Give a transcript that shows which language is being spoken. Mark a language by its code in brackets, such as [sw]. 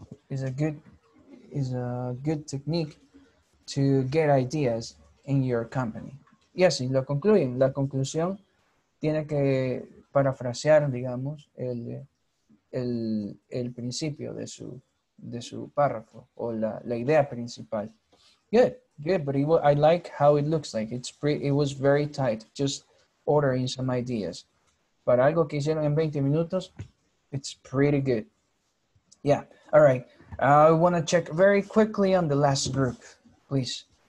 [en] Is a good technique to get ideas in your company. [es] Y así lo concluyen. La conclusión tiene que parafrasear, digamos, el principio de su párrafo o la idea principal. [en] Good, but I like how it looks like. It was very tight, just ordering some ideas. [es] Para algo que hicieron en 20 minutos, [en] it's pretty good. Yeah, all right. I want to check very quickly on the last group, please.